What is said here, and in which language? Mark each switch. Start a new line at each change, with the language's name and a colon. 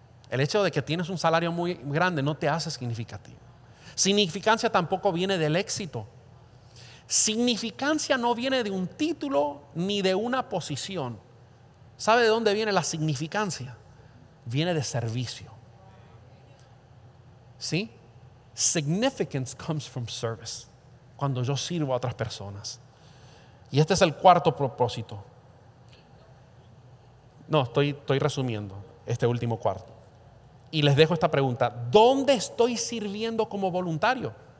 Spanish: El hecho de que tienes un salario muy grande no te hace significativo. Significancia tampoco viene del éxito. Significancia no viene de un título ni de una posición. ¿Sabe de dónde viene la significancia? Viene de servicio. ¿Sí?
English: Significance comes from service.
Spanish: Cuando yo sirvo a otras personas. Y este es el cuarto propósito. No, estoy resumiendo este último cuarto. Y les dejo esta pregunta: ¿dónde estoy sirviendo como voluntario?